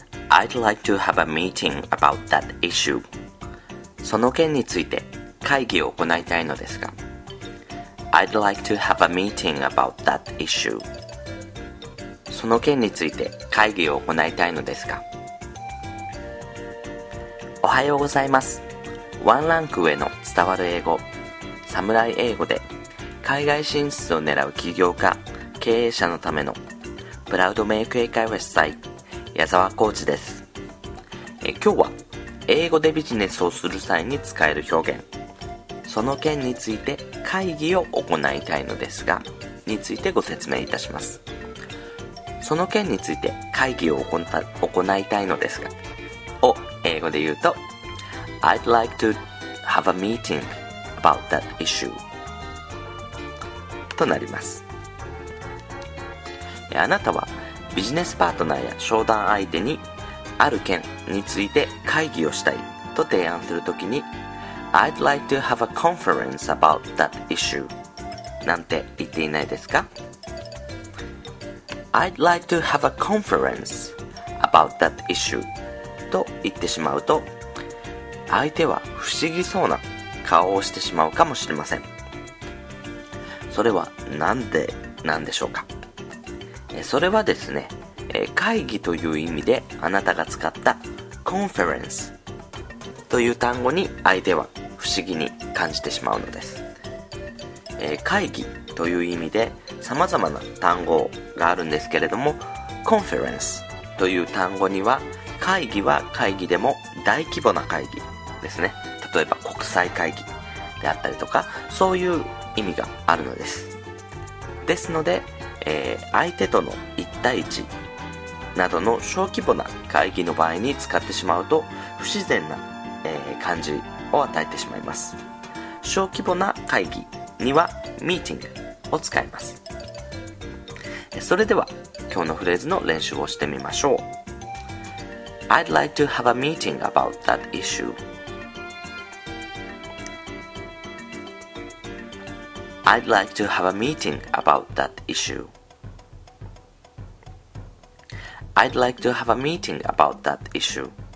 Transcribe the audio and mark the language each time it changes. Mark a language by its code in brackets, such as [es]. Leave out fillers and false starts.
[en] I'd like to have a meeting about that issue. [ja] その件について会議を行いたいのですが。 [en] I'd like to have a meeting about that issue. [ja] その件について会議を行いたいのですが。おはようございます。ワンランク上の伝わる英語、サムライ英語で海外進出を狙う企業家、経営者のためのプラウドメイク英会話主催、矢沢コーチです。今日は英語でビジネスをする際に使える表現、その件について会議を行いたいのですがについてご説明いたします。その件について会議を行いたいのですがを英語で言うと [en] I'd like to have a meeting about that issue [ja] となります。あなたはビジネスパートナーや商談相手にある件について会議をしたいと提案するときに [en] I'd like to have a conference about that issue [ja] なんて言っていないですか。 [en] I'd like to have a conference about that issue [ja] と言ってしまうと相手は不思議そうな顔をしてしまうかもしれません。それはなんでなんでしょうか。それはですね、会議という意味であなたが使った conference という単語に相手は不思議に感じてしまうのです。会議という意味で様々な単語があるんですけれども、conference という単語には会議は会議でも大規模な会議ですね。例えば国際会議であったりとか、そういう意味があるのです。ですので、相手との一対一などの小規模な会議の場合に使ってしまうと不自然な、感じを与えてしまいます。小規模な会議にはミーティングを使います。それでは今日のフレーズの練習をしてみましょう。 [en] I'd like to have a meeting about that issue. I'd like to have a meeting about that issueI'd like to have a meeting about that issue.